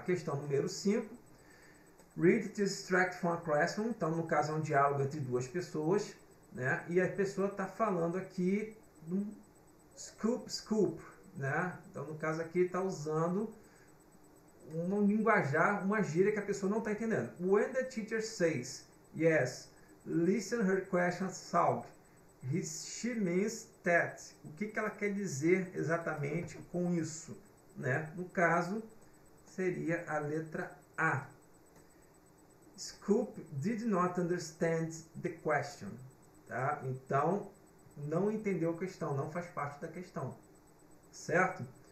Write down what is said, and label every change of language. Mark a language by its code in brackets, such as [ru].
[pt] Questão número 5. [en] Read the extract from a classroom. [pt] Então, no caso, é um diálogo entre duas pessoas, né? E a pessoa está falando aqui de um scoop, scoop. Né? Então, no caso aqui, está usando um linguajar, uma gíria que a pessoa não está entendendo. [en] When the teacher says yes, listen her question solved. She means that. [pt] O que que ela quer dizer exatamente com isso? Né? No caso, seria a letra A. [en] Scoop did not understand the question. Tá? [pt] Então, não entendeu a questão, não faz parte da questão. Certo?